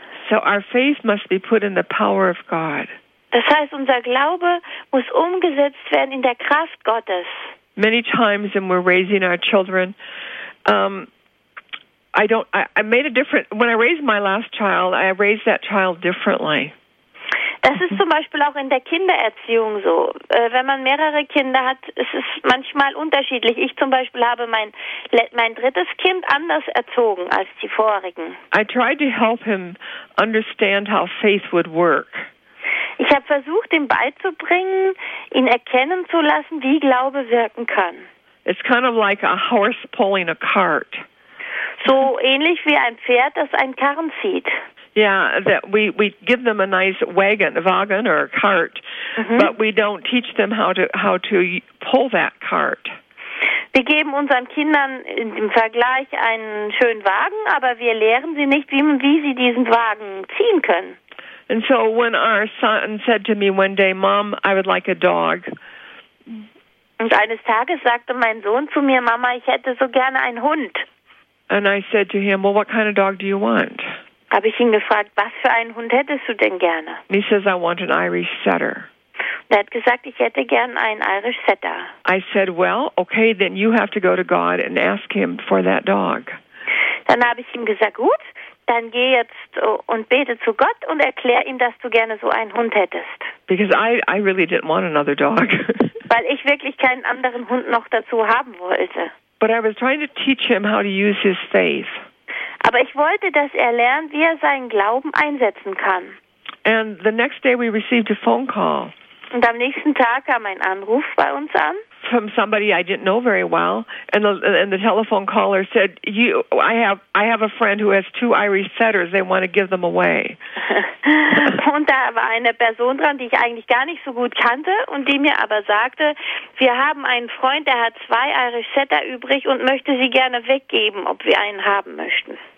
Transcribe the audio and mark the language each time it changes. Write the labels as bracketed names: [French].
[English] So our faith must be put in the power of God. [German] Das heißt, unser Glaube muss umgesetzt werden in der Kraft Gottes. [English] Many times when we're raising our children, when I raised my last child, I raised that child differently. [German] Das ist zum Beispiel auch in der Kindererziehung so. Wenn man mehrere Kinder hat, ist es manchmal unterschiedlich. Ich zum Beispiel habe mein drittes Kind anders erzogen als die vorigen. [English] I tried to help him understand how faith would work. [German] Ich habe versucht, ihm beizubringen, ihn erkennen zu lassen, wie Glaube wirken kann. [English] It's kind of like a horse pulling a cart. [German] So ähnlich wie ein Pferd, das einen Karren zieht. [English] Yeah, that we give them a nice wagon or a cart, mm-hmm. but we don't teach them how to pull that cart. [German] Wir geben unseren Kindern im Vergleich einen schönen Wagen, aber wir lehren sie nicht, wie sie diesen Wagen ziehen können. [English] And so when our son said to me one day, Mom, I would like a dog. [German] Und eines Tages sagte mein Sohn zu mir, Mama, ich hätte so gerne einen Hund. [English] And I said to him, well, what kind of dog do you want? [German] Habe ich ihn gefragt, was für einen Hund hättest du denn gerne? [English] He says, I want an Irish Setter. [German] Und er hat gesagt, ich hätte gern einen Irish Setter. [English] I said, well, okay, then you have to go to God and ask him for that dog. [German] Dann habe ich ihm gesagt, gut, dann geh jetzt und bete zu Gott und erklär ihm, dass du gerne so einen Hund hättest. [English] Because I really didn't want another dog. [German] Weil ich wirklich keinen anderen Hund noch dazu haben wollte. [English] But I was trying to teach him how to use his faith. [German] Aber ich wollte, dass er lernt, wie er seinen Glauben einsetzen kann. [English] And the next day we received a phone call. [German] Und am nächsten Tag kam ein Anruf bei uns an. [English] From somebody I didn't know very well, and the telephone caller said, "You, I have a friend who has two Irish Setters. They want to give them away." [German] Und da war eine Person dran, die ich eigentlich gar nicht so gut kannte, und die mir aber sagte, wir haben einen Freund, der hat zwei Irish Setter übrig und möchte sie gerne weggeben, ob wir einen haben möchten.